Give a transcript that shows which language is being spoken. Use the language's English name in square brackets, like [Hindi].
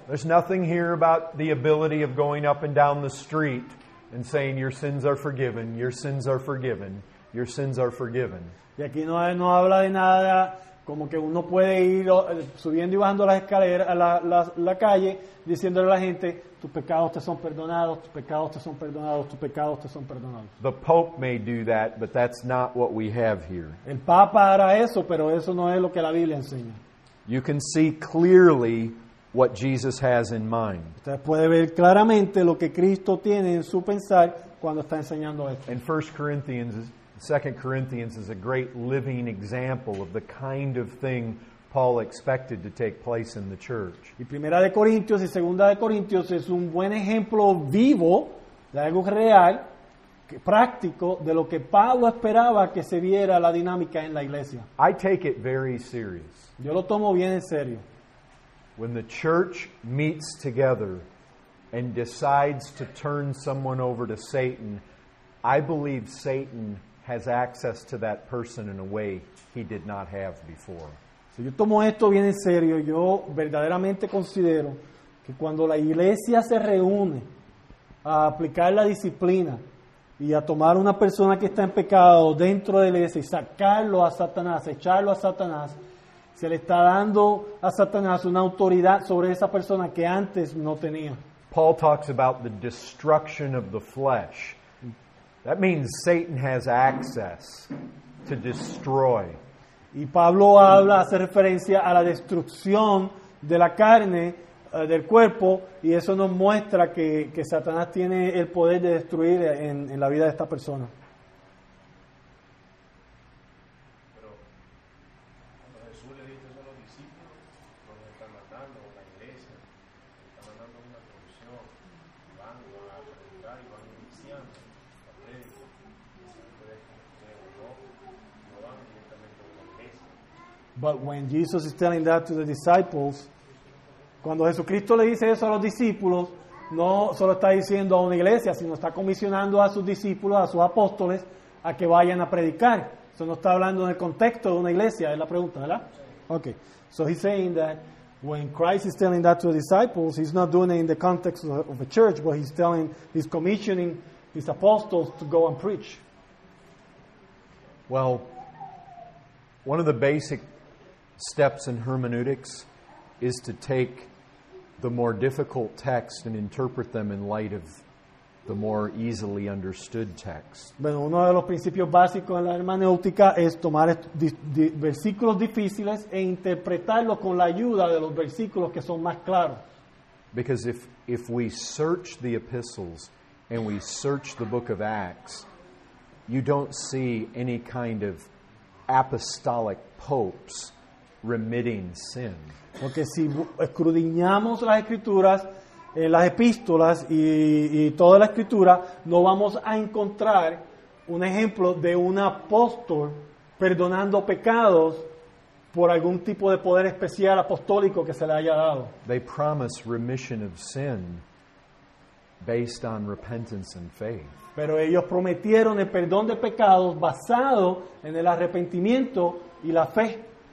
[English] There's nothing here about the ability of going up and down the street and saying your sins are forgiven, your sins are forgiven, your sins are forgiven. [Spanish] Y aquí no habla de nada como que uno puede ir subiendo y bajando las escaleras a la calle diciéndole a la gente tus pecados te son perdonados, tus pecados te son perdonados, tus pecados te son perdonados. [English] The Pope may do that, but that's not what we have here. [Spanish] El Papa hará eso, pero eso no es lo que la Biblia enseña. [English] You can see clearly what Jesus has in mind. [Spanish] Usted puede ver claramente lo que Cristo tiene en su pensar cuando está enseñando esto. [English] And 2 Corinthians is a great living example of the kind of thing Paul expected to take place in the church. [Spanish] Y Primera de Corintios y Segunda de Corintios es un buen ejemplo vivo de algo real, práctico, de lo que Pablo esperaba que se viera la dinámica en la iglesia. [English] I take it very serious. [Spanish] Yo lo tomo bien en serio. [English] When the church meets together and decides to turn someone over to Satan, I believe Satan has access to that person in a way he did not have before. [Spanish] Si yo tomo esto bien en serio, yo verdaderamente considero que cuando la iglesia se reúne a aplicar la disciplina y a tomar una persona que está en pecado dentro de la iglesia y sacarlo a Satanás, echarlo a Satanás, se le está dando a Satanás una autoridad sobre esa persona que antes no tenía. [English] Paul talks about the destruction of the flesh. That means Satan has access to destroy. [Spanish] Y Pablo habla, hace referencia a la destrucción de la carne, del cuerpo, y eso nos muestra que Satanás tiene el poder de destruir en la vida de esta persona. Pero cuando Jesús le dice eso a los discípulos, cuando están matando a la iglesia, están mandando una corrupción, van a preguntar y van iniciando a predicar, no van directamente a la iglesia. [English] But when Jesus is telling that to the disciples, [Spanish] cuando Jesucristo le dice eso a los discípulos, no solo está diciendo a una iglesia, sino está comisionando a sus discípulos, a sus apóstoles, a que vayan a predicar. Eso no está hablando en el contexto de una iglesia, es la pregunta, ¿verdad? [English] Okay. So he's saying that when Christ is telling that to the disciples, he's not doing it in the context of the church, but he's telling, he's commissioning his apostles to go and preach. Well, one of the basic steps in hermeneutics is to take the more difficult text and interpret them in light of the more easily understood text. [Spanish] Bueno, uno de los principios básicos en la hermenéutica es tomar versículos difíciles e interpretarlos con la ayuda de los versículos que son más claros. [English] Because if we search the epistles and we search the book of Acts, you don't see any kind of apostolic popes remitting sin. [Spanish] Porque si escudriñamos las escrituras, las epístolas y toda la escritura, no vamos a encontrar un ejemplo de un apóstol perdonando pecados por algún tipo de poder especial apostólico que se le haya dado. [English] They promise remission of sin based on repentance and faith. [Spanish] Pero ellos prometieron el perdón de pecados basado en el arrepentimiento y la fe.